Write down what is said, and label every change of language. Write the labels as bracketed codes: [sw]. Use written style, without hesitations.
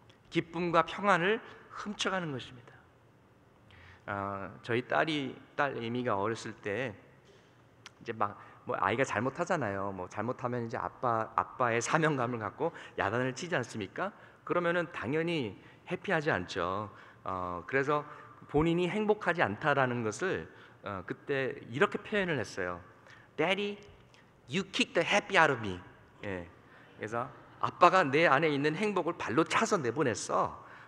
[ko] 기쁨과 평안을 훔쳐가는 것입니다. 저희 딸이 딸 이미가 어렸을 때 이제 막 뭐 아이가 잘못하잖아요. 뭐 잘못하면 이제 아빠의 사명감을 갖고 야단을 치지 않습니까? 그러면은 당연히 해피하지 않죠. 그래서 본인이 행복하지 않다라는 것을 그때 이렇게 표현을 했어요. [en] Daddy, you kick the happy out of me. [ko] 예. 그래서 아빠가 내 안에 있는 행복을 발로 차서 내보냈어.